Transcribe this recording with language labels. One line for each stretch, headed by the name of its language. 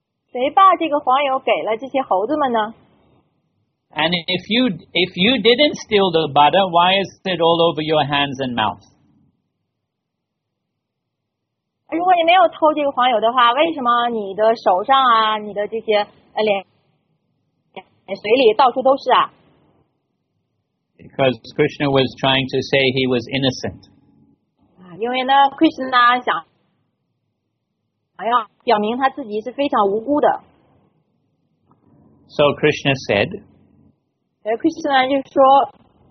Chinese: 谁把这个黄油给了这些猴子们呢？
English: And if you didn't steal the butter, why is it all over your hands and mouth?
Chinese: 如果你没有偷这个黄油的话，为什么你的手上啊，你的这些脸水里到处都是啊？
English: Because Krishna was trying to say he was innocent.
Chinese: 因为呢 ，Krishna 想要表明他自己是非常无辜的。
English: So Krishna said.
Chinese: Krishna 就说